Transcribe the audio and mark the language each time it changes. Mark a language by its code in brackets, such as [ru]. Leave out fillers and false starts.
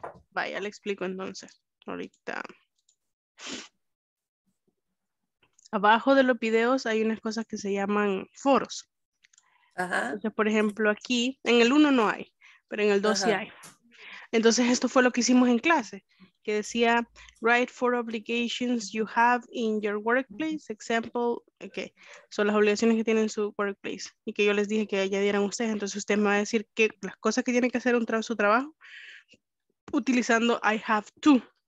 [es] Vaya, le explico entonces, ahorita. Abajo de los videos hay unas cosas que se llaman foros. Ajá. Entonces, por ejemplo, aquí, en el 1 no hay, pero en el 2 sí hay. Entonces, esto fue lo que hicimos en clase. Que decía, [en] write four obligations you have in your workplace. Example, okay. [es] Son las obligaciones que tienen su workplace. Y que yo les dije que añadieran ustedes. Entonces usted me va a decir que las cosas que tiene que hacer en su trabajo. Utilizando [en] I have to.